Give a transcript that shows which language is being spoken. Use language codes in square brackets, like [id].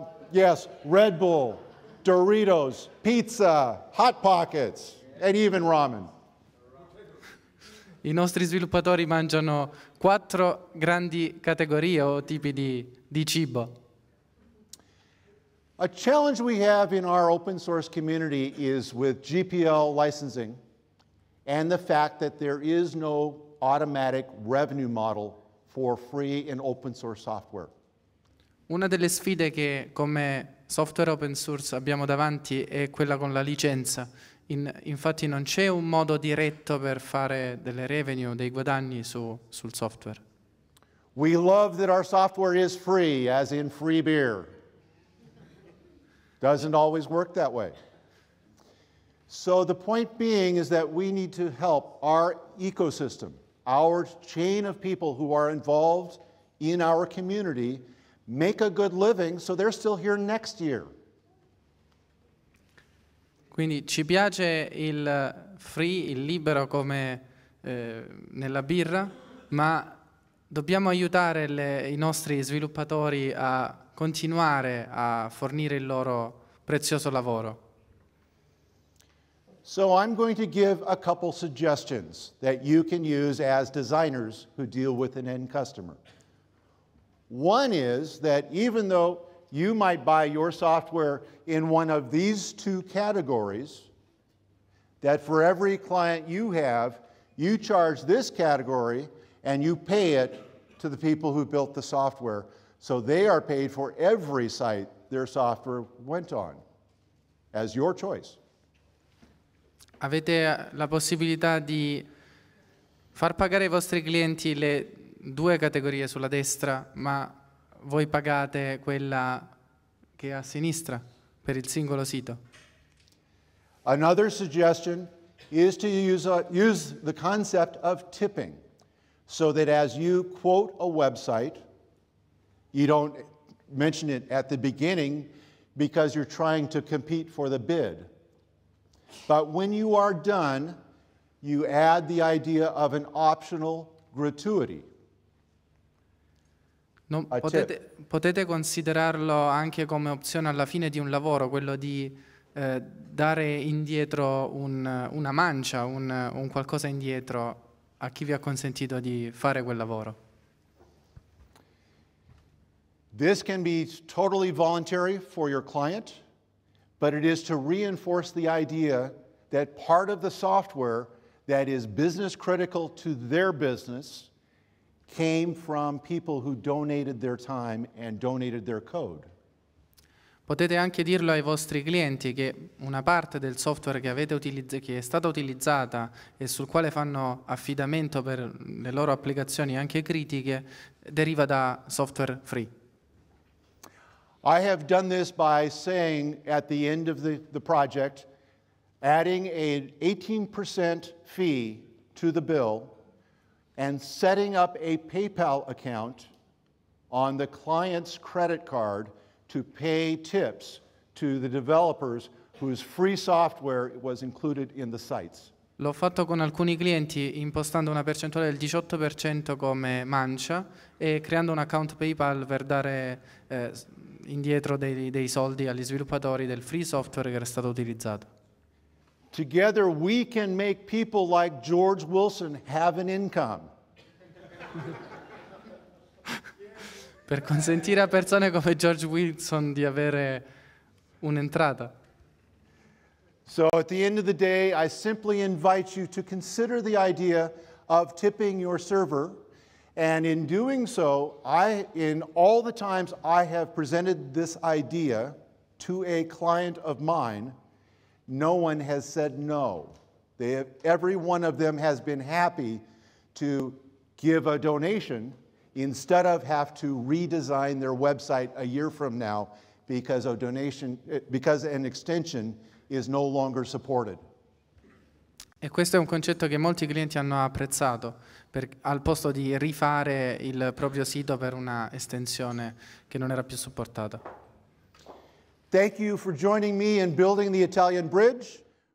[en] Yes, Red Bull, Doritos, pizza, Hot Pockets, and even ramen. [it] I nostri sviluppatori mangiano quattro grandi categorie o tipi di cibo. [en] A challenge we have in our open source community is with GPL licensing and the fact that there is no automatic revenue model for free and open source software. [it] Una delle sfide che come software open source abbiamo davanti è quella con la licenza. Infatti non c'è un modo diretto per fare delle revenue, dei guadagni sul software. [en] We love that our software is free, as in free beer. Doesn't always work that way. So the point being is that we need to help our ecosystem, our chain of people who are involved in our community, make a good living so they're still here next year. [it] Quindi ci piace il free, il libero come nella birra, ma dobbiamo aiutare i nostri sviluppatori a continuare a fornire il loro prezioso lavoro. [en] So I'm going to give a couple suggestions that you can use as designers who deal with an end customer. One is that even though you might buy your software in one of these two categories, that for every client you have, you charge this category and you pay it to the people who built the software, so they are paid for every site their software went on, as your choice. [it] Avete la possibilità di far pagare ai vostri clienti le due categorie sulla destra, ma voi pagate quella che è a sinistra per il singolo sito. [en] Another suggestion is to use the concept of tipping, so that as you quote a website, you don't mention it at the beginning because you're trying to compete for the bid. But when you are done, you add the idea of an optional gratuity. [it] Non, potete considerarlo anche come opzione alla fine di un lavoro, quello di dare indietro una mancia, un qualcosa indietro a chi vi ha consentito di fare quel lavoro. [en] This can be totally voluntary for your client, but it is to reinforce the idea that part of the software that is business critical to their business came from people who donated their time and donated their code. [it] Potete anche dirlo ai vostri clienti che una parte del software che è stata utilizzata e sul quale fanno affidamento per le loro applicazioni anche critiche deriva da software free. [en] I have done this by saying at the end of the project, adding an 18% fee to the bill and setting up a PayPal account on the client's credit card to pay tips to the developers whose free software was included in the sites. [it] L'ho fatto con alcuni clienti impostando una percentuale del 18% come mancia e creando un account PayPal per dare indietro dei soldi agli sviluppatori del free software che era stato utilizzato. [en] Together we can make people like George Wilson have an income. [it] Per consentire a persone come George Wilson di avere un'entrata. [en] So at the end of the day, I simply invite you to consider the idea of tipping your server, and in doing so, in all the times I have presented this idea to a client of mine, no one has said no. Every one of them has been happy to give a donation instead of have to redesign their website a year from now because an extension is no longer supported. [it] E questo è un concetto che molti clienti hanno apprezzato, al posto di rifare il proprio sito per una estensione che non era più supportata. [en] Thank you for joining me in building the Italian bridge.